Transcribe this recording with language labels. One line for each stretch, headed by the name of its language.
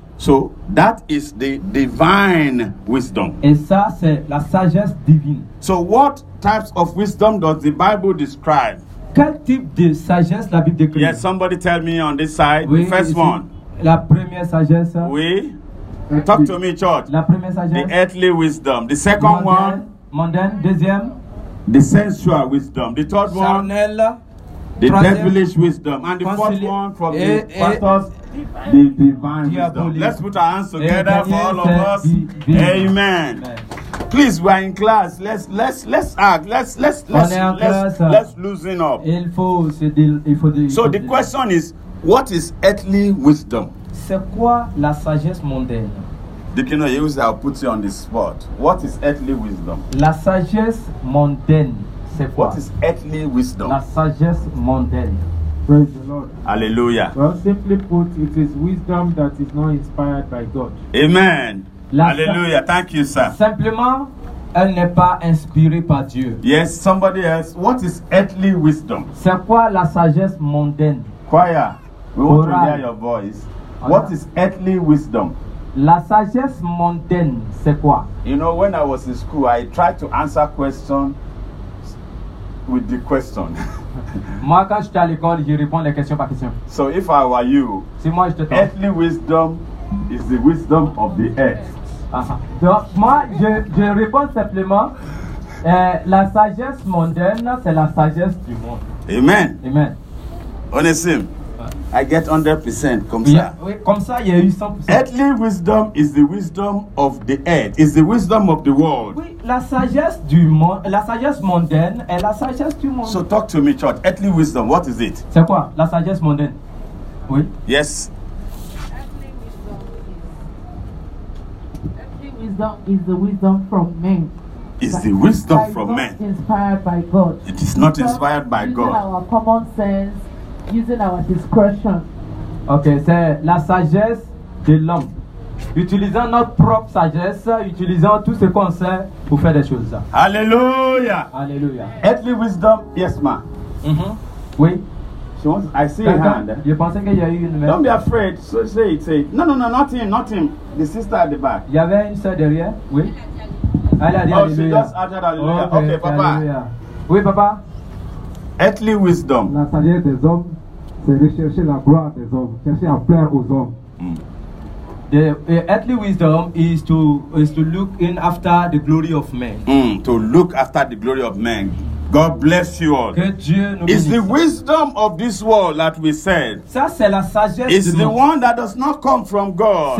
English: So that is the divine wisdom.
French: Et ça, c'est la sagesse divine.
English: So what types of wisdom does the Bible describe?
French: Quel type de sagesse la Bible décrit?
English: Yes, somebody tell me on this side. Oui, the first one.
French: La première sagesse.
English: Oui. Talk to me, church.
French: La première sagesse.
English: The earthly wisdom. The second
French: mondaine,
English: one.
French: Mondaine. Deuxième.
English: The sensual wisdom. The third
French: charnel,
English: one. The troisième, devilish wisdom. And the fourth one from the pastors. The divine wisdom. Let's put our hands together for all of us. Amen. Please, we are in class. Let's loosen up. So the question is, what is earthly wisdom?
French: C'est quoi la sagesse mondaine?
English: Depending on you, I'll put you on the spot. What is earthly wisdom?
French: La sagesse mondaine, c'est quoi?
English: What is earthly wisdom?
French: La sagesse mondaine.
English: Praise the Lord. Hallelujah. Well, simply put, it is wisdom that is not inspired by God. Amen. Hallelujah. Thank you, sir.
French: Simplement, elle n'est pas inspirée par Dieu.
English: Yes, somebody else. What is earthly wisdom?
French: C'est quoi la sagesse mondaine?
English: Choir, we want to hear your voice. What is earthly wisdom?
French: La sagesse mondaine, c'est quoi?
English: You know, when I was in school, I tried to answer questions with the question.
French: Moi, quand j'étais à l'école, je réponds les questions par question.
English: So if I were you,
French: si moi, j'étais toi,
English: earthly wisdom is the wisdom of the earth.
French: Donc, moi, je réponds simplement, la sagesse mondaine, c'est la sagesse du monde.
English: Amen. Amen. Onesim, I get 100%
French: comme ça. Oui, comme ça, il y a eu 100%.
English: Earthly wisdom is the wisdom of the earth, is the wisdom of the world.
French: Oui, la sagesse du monde, la sagesse mondaine est la sagesse du monde.
English: So talk to me, church. Earthly wisdom, what is it?
French: C'est quoi? La sagesse mondaine. Oui.
English: Yes. Earthly wisdom is the wisdom from men. Is the wisdom from men. Inspired by God. It is not inspired by God. Using our common sense. Using our discretion.
French: Okay, c'est la sagesse de l'homme. Utilisant notre propre sagesse, utilisant tout ce qu'on sait pour faire des choses. Alléluia. Alléluia.
English: Earthly wisdom, yes, ma.
French: Mm-hmm. Oui.
English: I see your hand.
French: Je pensais qu'il y a eu une main.
English: Don't be afraid. So say it. Say. No, not him, not him. The sister at the back.
French: Il y avait une sœur derrière. Oui. Oh, alléluia.
English: She just added alléluia. Okay, papa. Alléluia.
French: Oui, papa.
English: Earthly wisdom.
French: La sagesse des hommes, c'est rechercher la gloire des hommes, chercher à plaire aux hommes.
English: The earthly wisdom is to look in after the glory of men. To look after the glory of men. God bless you all.
French: Que Dieu nous bénisse.
English: It's the wisdom of this world that we said.
French: Ça c'est la sagesse.
English: It's the one that does not come from God.